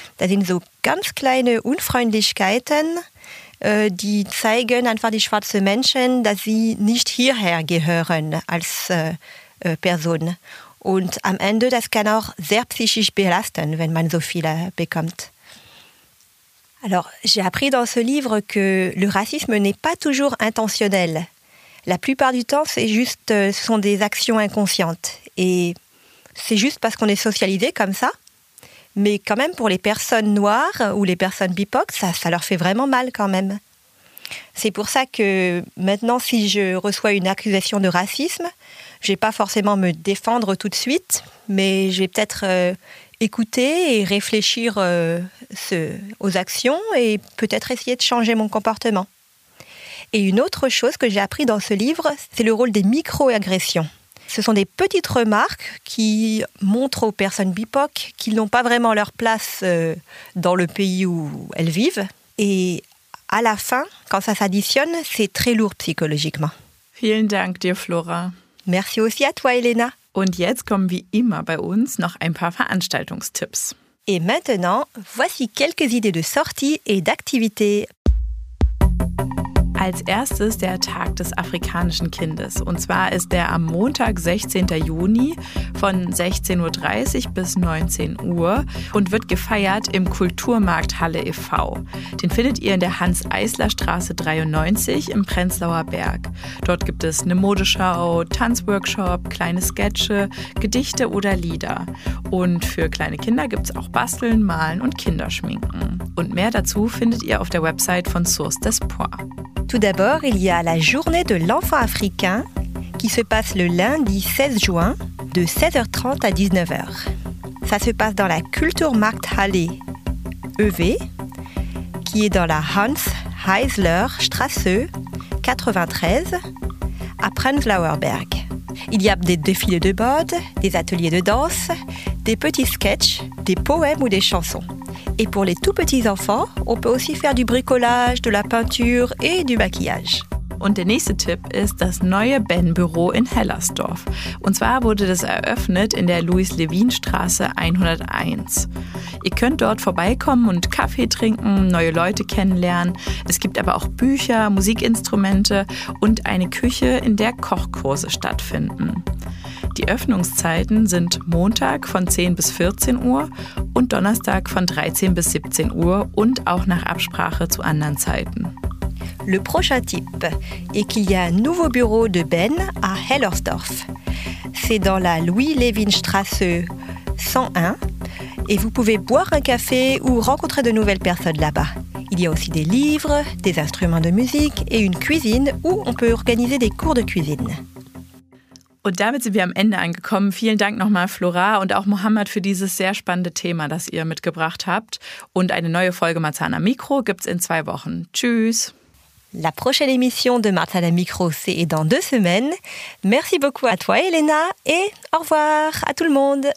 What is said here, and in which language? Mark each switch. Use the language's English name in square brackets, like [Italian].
[German] Das sind so ganz kleine Unfreundlichkeiten, die zeigen einfach die schwarzen Menschen, dass sie nicht hierher gehören als Person. Und am Ende, das kann auch sehr psychisch belasten, wenn man so viele bekommt. [French] Alors, j'ai appris dans ce livre que le racisme n'est pas toujours intentionnel. La plupart du temps, c'est juste, ce sont des actions inconscientes. Et c'est juste parce qu'on est socialisé comme ça. Mais quand même, pour les personnes noires ou les personnes BIPOC, ça leur fait vraiment mal quand même. C'est pour ça que maintenant, si je reçois une accusation de racisme, je ne vais pas forcément me défendre tout de suite, mais je vais peut-être écouter et réfléchir aux actions et peut-être essayer de changer mon comportement. Et une autre chose que j'ai appris dans ce livre, c'est le rôle des micro-agressions. Ce sont des petites remarques qui montrent aux personnes BIPOC qu'ils n'ont pas vraiment leur place dans le pays où elles vivent. Et à la fin, quand ça s'additionne, c'est très lourd psychologiquement. [German] Vielen Dank dir, Flora. [French] Merci aussi à toi, Elena. [German] Und jetzt kommen wie immer bei uns noch ein paar Veranstaltungstipps. [French] Et maintenant, voici quelques idées de sortie et d'activité. [German] Als erstes der Tag des afrikanischen Kindes. Und zwar ist der am Montag, 16. Juni, von 16.30 Uhr bis 19 Uhr und wird gefeiert im Kulturmarkt Halle e.V. Den findet ihr in der Hans-Eisler-Straße 93 im Prenzlauer Berg. Dort gibt es eine Modeschau, Tanzworkshop, kleine Sketche, Gedichte oder Lieder. Und für kleine Kinder gibt es auch Basteln, Malen und Kinderschminken. Und mehr dazu findet ihr auf der Website von Source d'Espoir. [French] Tout d'abord, il y a la journée de l'enfant africain qui se passe le lundi 16 juin de 16h30 à 19h. Ça se passe dans la Kulturmarkthalle EV qui est dans la Hans-Heisler-Straße 93 à Prenzlauer Berg. Il y a des défilés de mode, des ateliers de danse, des petits sketchs, des poèmes ou des chansons. Et pour les tout petits enfants, on peut aussi faire du bricolage, de la peinture et du maquillage. [German] Und der nächste Tipp ist das neue Ben-Büro in Hellersdorf. Und zwar wurde das eröffnet in der Louis-Levin-Straße 101. Ihr könnt dort vorbeikommen und Kaffee trinken, neue Leute kennenlernen. Es gibt aber auch Bücher, Musikinstrumente und eine Küche, in der Kochkurse stattfinden. Die Öffnungszeiten sind Montag von 10 bis 14 Uhr und Donnerstag von 13 bis 17 Uhr und auch nach Absprache zu anderen Zeiten. [French] Le prochain tip est qu'il y a un nouveau bureau de Ben à Hellersdorf. C'est dans la Louis-Levin-Straße 101 et vous pouvez boire un café ou rencontrer de nouvelles personnes là-bas. Il y a aussi des livres, des instruments de musique et une cuisine où on peut organiser des cours de cuisine. [German] Und damit sind wir am Ende angekommen. Vielen Dank nochmal, Flora und auch Mohammed, für dieses sehr spannende Thema, das ihr mitgebracht habt. Und eine neue Folge Marzahn am Mikro gibt's in 2 Wochen. Tschüss! [French] La prochaine émission de Marzahn am Mikro, c'est dans 2 semaines. Merci beaucoup à toi, Elena, et au revoir à tout le monde.